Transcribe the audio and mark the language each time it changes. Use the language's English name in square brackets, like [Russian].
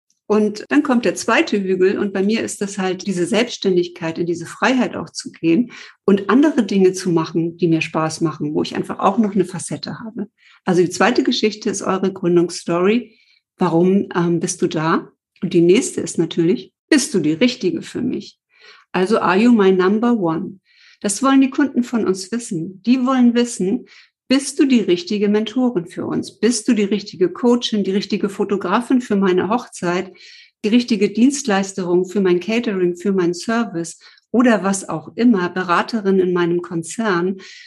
[German] Und dann kommt der zweite Hügel und bei mir ist das halt diese Selbstständigkeit, in diese Freiheit auch zu gehen und andere Dinge zu machen, die mir Spaß machen, wo ich einfach auch noch eine Facette habe. Also die zweite Geschichte ist eure Gründungsstory. Warum bist du da? Und die nächste ist natürlich, bist du die Richtige für mich? [English] Also are you my number one? [German] Das wollen die Kunden von uns wissen. Die wollen wissen, bist du die richtige Mentorin für uns? Bist du die richtige Coachin, die richtige Fotografin für meine Hochzeit, die richtige Dienstleisterin für mein Catering, für meinen Service oder was auch immer, Beraterin in meinem Konzern?